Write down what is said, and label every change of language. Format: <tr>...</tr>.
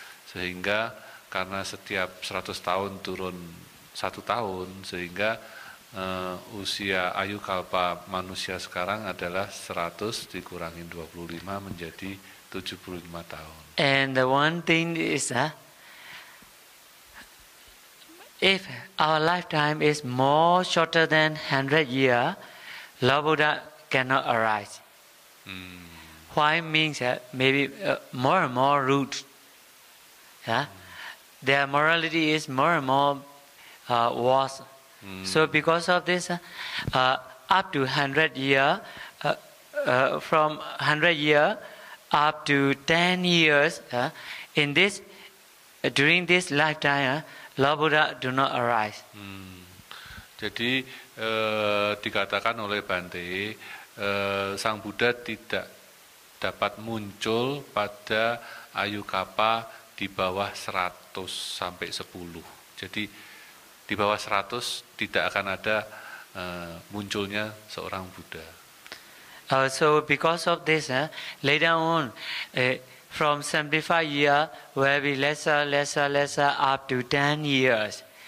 <id>Sehingga karena setiap 100 tahun turun 1 tahun, sehingga usia ayukalpa manusia sekarang adalah 100 dikurangin 25 menjadi 75 tahun.</id> <en>And the one thing is, if our lifetime is more shorter than 100 year, Lord Buddha cannot arise. Why means that maybe more and more rude. Their morality is more and more worse. So because of this, up to 100 year, from 100 year up to 10 years, in this, during this lifetime, Lord Buddha do not arise.</en> <id>Jadi dikatakan oleh Bante, Sang Buddha tidak dapat muncul pada ayukapa di bawah 100 sampai 10. Jadi di bawah 100 tidak akan ada munculnya seorang Buddha.</id> <en>So because of this, later on, from 75 year will be lesser up to 10 years.</en>